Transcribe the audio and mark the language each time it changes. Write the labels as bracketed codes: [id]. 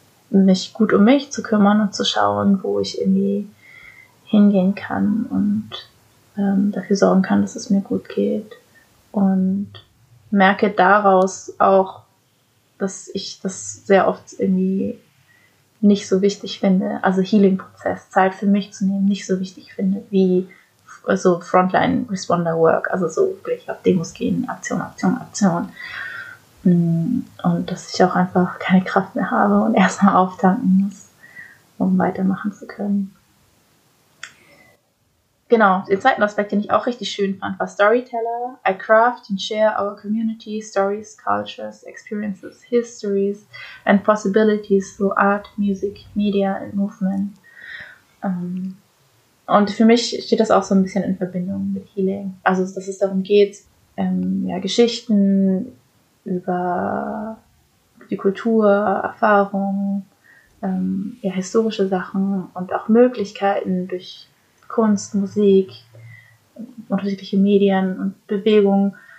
[de] mich gut um mich zu kümmern und zu schauen, wo ich irgendwie hingehen kann und dafür sorgen kann, dass es mir gut geht und merke daraus auch, dass ich das sehr oft irgendwie nicht so wichtig finde, also Healing-Prozess, Zeit für mich zu nehmen, nicht so wichtig finde, wie so Frontline-Responder-Work, also so wirklich auf Demos gehen, Aktion, Aktion, Aktion. Und dass ich auch einfach keine Kraft mehr habe und erstmal auftanken muss, um weitermachen zu können. Genau, den zweiten Aspekt, den ich auch richtig schön fand, war Storyteller. [en] I craft and share our community, stories, cultures, experiences, histories and possibilities through art, music, media and movement. [de] Und für mich steht das auch so ein bisschen in Verbindung mit Healing. Also, dass es darum geht, Geschichten über die Kultur, Erfahrungen, historische Sachen und auch Möglichkeiten durch Kunst, Musik, unterschiedliche Medien und Bewegungen